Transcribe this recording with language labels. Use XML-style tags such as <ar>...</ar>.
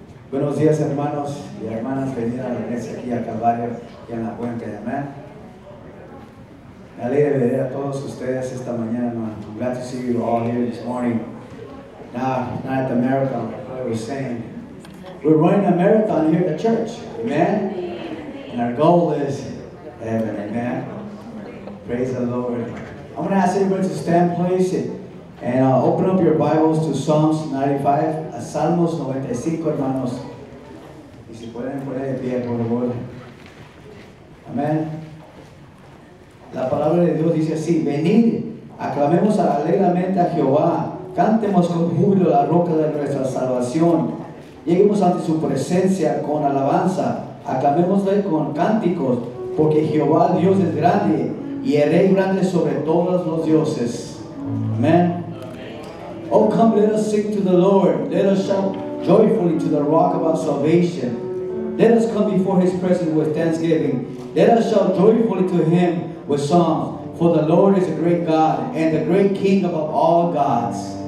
<es>Buenos días, hermanos y hermanas, venir a la iglesia aquí a Calvary y en la Puente. Amen. Me alegra ver a todos ustedes esta mañana.</es> <en>I'm glad to see you all here this morning. Not at the marathon, like I was saying. We're running a marathon here at the church. Amen. And our goal is heaven. Amen. Praise the Lord. I'm going to ask everybody to stand, please. And open up your Bibles to Psalms 95,</en> <es>a Salmos 95, hermanos. Y si pueden poner de pie, por favor. Amén. La palabra de Dios dice así: venid, aclamemos alegremente a Jehová, cantemos con júbilo la roca de nuestra salvación. Lleguemos ante su presencia con alabanza, aclamémosle con cánticos, porque Jehová Dios es grande y el rey grande sobre todos los dioses. Amén.</es> <en>Oh, come, let us sing to the Lord. Let us shout joyfully to the rock of our salvation. Let us come before his presence with thanksgiving. Let us shout joyfully to him with songs. For the Lord is a great God and the great King of all gods.</en>